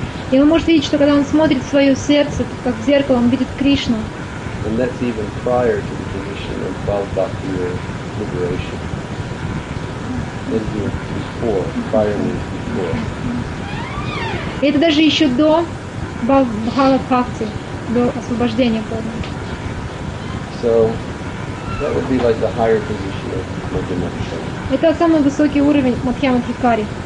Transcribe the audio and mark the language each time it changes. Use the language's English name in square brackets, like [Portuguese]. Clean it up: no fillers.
[Russian] И он может видеть, что когда он смотрит в свое сердце, как в зеркало, он видит Кришну. [English] And that's even prior to the position of Balbhakti or liberation. That's even before, prior means before. [Russian] Это даже еще до Балбхакти, до освобождения Бога. [English] So, that would be like the higher position of Madhya-Madhya. [Russian] Это самый высокий уровень Мадхья-Мадхикари.